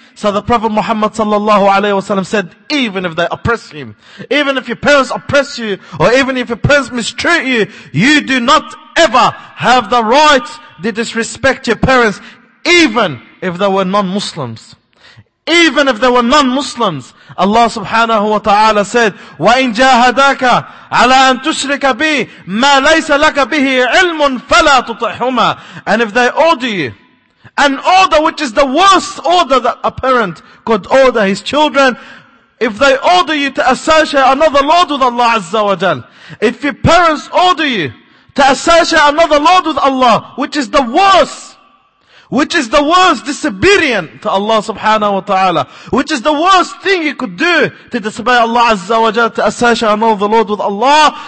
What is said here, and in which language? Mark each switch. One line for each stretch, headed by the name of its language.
English: So the Prophet Muhammad sallallahu alayhi wa sallam said, even if they oppress him, even if your parents oppress you, or even if your parents mistreat you, you do not ever have the right to disrespect your parents, even if they were non-Muslims. Even if they were non-Muslims. Allah subhanahu wa ta'ala said,
Arabic: وَإِن جَاهَدَاكَ عَلَىٰ أَن تُشْرِكَ بِي مَا لَيْسَ لَكَ بِهِ عِلْمٌ فَلَا تُطِعْهُمَا.
English: And if they order you, an order which is the worst order that a parent could order his children, if they order you to associate another Lord with Allah Azza wa Jal, if your parents order you to associate another Lord with Allah, which is the worst disobedient to Allah subhanahu wa ta'ala, which is the worst thing you could do to disobey Allah Azza wa Jal, to associate another Lord with Allah.